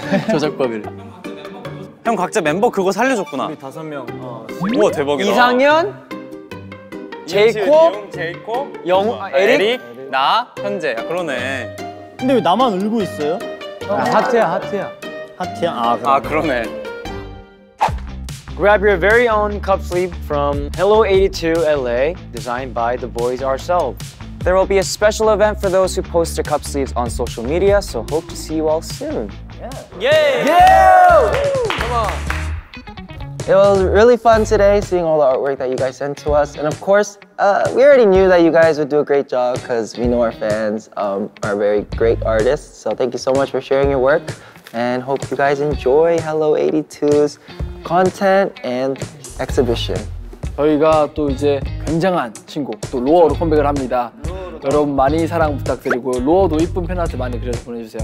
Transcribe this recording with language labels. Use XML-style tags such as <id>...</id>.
<ko>조작법을. 형 각자 멤버 그거 살려줬구나. 우리 다섯 명. 우와, 대박이다. 이상현, 제이콥, 에릭. 나, 현재. 야, 그러네. 근데 왜 나만 울고 있어요? 야, 하트야. 아, 그러네.</ko> <en>Grab your very own cup sleeve from Hello 82 LA, designed by the boys ourselves. There will be a special event for those who post their cup sleeves on social media, so hope to see you all soon. Yeah. Yay! Yeah! Come on. It was really fun today seeing all the artwork that you guys sent to us. And of course, we already knew that you guys would do a great job because we know our fans are very great artists. So thank you so much for sharing your work and hope you guys enjoy Hello 82's content and exhibition.</en> <ko>저희가 또 이제 굉장한 신곡, 또 로어로 컴백을 합니다. 여러분 많이 사랑 부탁드리고 로어도 이쁜 팬아트 많이 그려서 보내주세요.</ko>